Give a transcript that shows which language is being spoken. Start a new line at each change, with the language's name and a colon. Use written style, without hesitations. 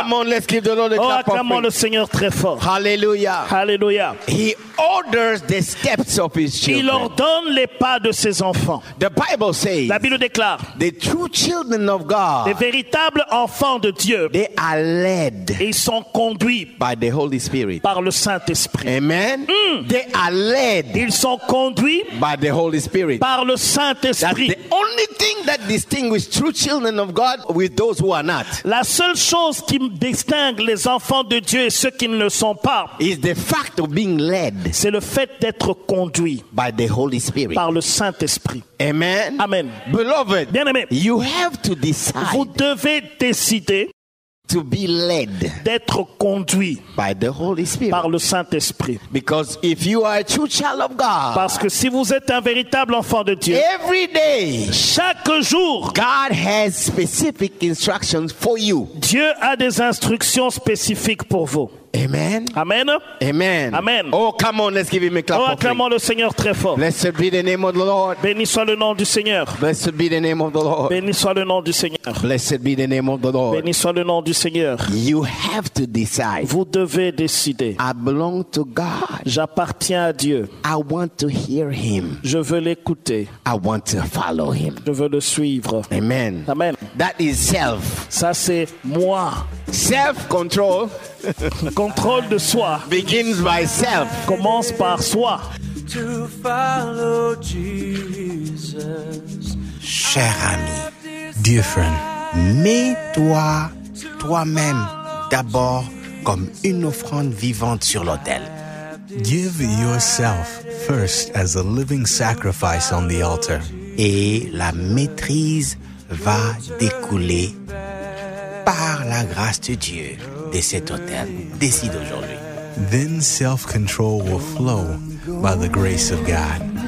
English: Come on, let's give the Lord a oh, clap
French: acclamons
English: offering.
French: Le Seigneur très fort. Alléluia. Alléluia.
English: He orders the steps of his children.
French: Il ordonne les pas de ses enfants.
English: The Bible says,
French: la Bible déclare,
English: the true children of God,
French: les véritables enfants de Dieu,
English: they are led,
French: ils sont conduits
English: by the Holy Spirit,
French: par le Saint-Esprit.
English: Amen. Mm. They are led.
French: Ils sont conduits
English: by the Holy Spirit.
French: Par le Saint-Esprit.
English: That's the only thing that distinguishes true children of God with those who are not.
French: La seule chose qui distingue les enfants de Dieu et ceux qui ne le sont pas
English: is the fact of being led.
French: C'est le fait d'être conduit
English: by the Holy Spirit.
French: Par le Saint-Esprit.
English: Amen.
French: Amen.
English: Beloved,
French: bien-aimé,
English: you have to decide.
French: Vous devez décider
English: to be led,
French: d'être conduit
English: by the Holy Spirit,
French: par le Saint-Esprit.
English: Because if you are a true child of God,
French: parce que si vous êtes un véritable enfant de Dieu,
English: every day,
French: chaque jour,
English: God has specific instructions for you.
French: Dieu a des instructions spécifiques pour vous.
English: Amen.
French: Amen.
English: Amen.
French: Amen.
English: Oh, come on, let's give him a clap.
French: Oh, acclamons le Seigneur très fort.
English: Blessed be the name of the Lord.
French: Béni soit le nom du Seigneur.
English: Blessed be the name of the Lord.
French: Béni soit le nom du Seigneur.
English: Blessed be the name of the Lord.
French: Béni soit le nom du Seigneur.
English: You have to decide.
French: Vous devez décider.
English: I belong to God.
French: J'appartiens à Dieu.
English: I want to hear him.
French: Je veux l'écouter.
English: I want to follow him.
French: Je veux le suivre.
English: Amen.
French: Amen.
English: That is self.
French: Ça c'est moi.
English: Self-control.
French: Contrôle de soi
English: begins by self.
French: Commence par soi. Cher ami,
English: dear friend,
French: mets-toi toi-même d'abord comme une offrande vivante sur l'autel.
English: Give yourself first as a living sacrifice on the altar.
French: Et la maîtrise va découler par la grâce de Dieu de cet autel. Décide aujourd'hui.
English: Then self-control will flow by the grace of God.